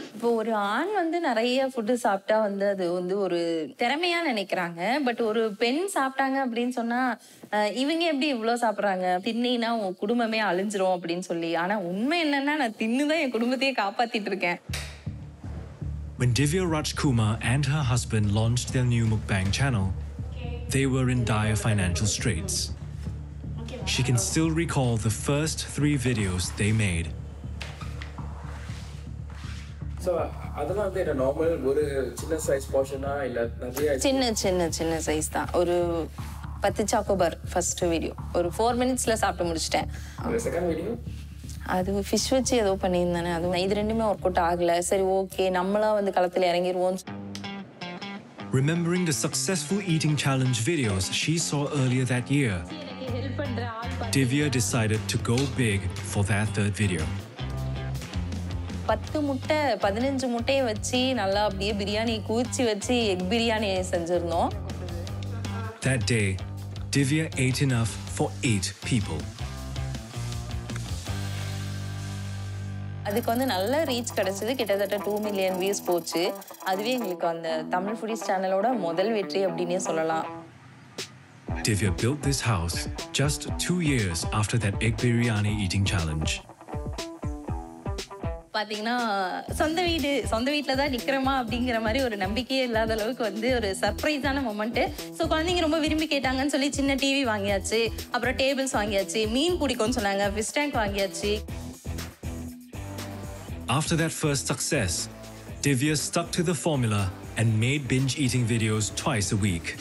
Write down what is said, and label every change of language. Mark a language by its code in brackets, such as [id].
[ta] இப்போ ஒரு ஆண் வந்து நிறைய ஃபுட்டு சாப்பிட்டா வந்து அது வந்து ஒரு திறமையாக நினைக்கிறாங்க. பட் ஒரு பெண் சாப்பிட்டாங்க அப்படின்னு சொன்னால் இவங்க எப்படி இவ்வளோ சாப்பிட்றாங்க, தின்னா உன் குடும்பமே அழிஞ்சிரும் அப்படின்னு சொல்லி. ஆனால் உண்மை என்னன்னா நான் தின்னுதான் என் குடும்பத்தையே காப்பாற்றிட்டு இருக்கேன். [en] When Divya Rajkumar and her husband launched their new Mukbang channel, they were in dire financial straits. She can still recall the first three videos they made. [ta] So, adala the normal ஒரு சின்ன size போஷனா இல்ல நிறைய சின்ன சின்ன சின்ன size தான் ஒரு 10 சாக்கோபர் first video ஒரு 4 मिनिटஸ்ல சாப்பிட்டு முடிச்சிட்டேன். செகண்ட் வீடியோ அது ஃபிஷ் வச்சு ஏதோ பண்ணியிருந்தானே அது இது ரெண்டுமே ஒர்க் அவுட் ஆகல. சரி ஓகே நம்மளா வந்து களத்துல இறங்கிடுவோம். [en] Remembering the successful eating challenge videos she saw earlier that year, Divya decided to go big for that third video. [ta] 10 முட்டை 15 முட்டையை வச்சு நல்லா அப்படியே பிரியாணி குவிச்சு வச்சு egg biryani செஞ்சிருந்தோம். [en] That day, Divya ate enough for 8 people. [ta] அதுக்கு வந்து நல்ல ரீச் கிடைச்சது, கிட்டத்தட்ட 2 மில்லியன் வியூஸ் போச்சு. அதுவே எங்களுக்கு அந்த தமிழ் ஃபுடிஸ் சேனலோட முதல் வெற்றி அப்படின்னே சொல்லலாம். [en] Divya built this house just 2 years after that egg biryani eating challenge. [ta] பார்த்தீங்கன்னா சொந்த வீடு சொந்த வீட்டில் தான் நிற்கிறோமா அப்படிங்கிற மாதிரி ஒரு நம்பிக்கையே இல்லாத அளவுக்கு வந்து ஒரு சர்ப்ரைஸான மொமெண்ட்டு. ஸோ குழந்தைங்க ரொம்ப விரும்பி கேட்டாங்கன்னு சொல்லி சின்ன டிவி வாங்கியாச்சு, அப்புறம் டேபிள்ஸ் வாங்கியாச்சு, மீன் பிடிக்கும்னு சொன்னாங்க, ஃபிஷ் டேங்க் வாங்கியாச்சு. [en] After that first success, Divya stuck to the formula and made binge eating videos twice a week.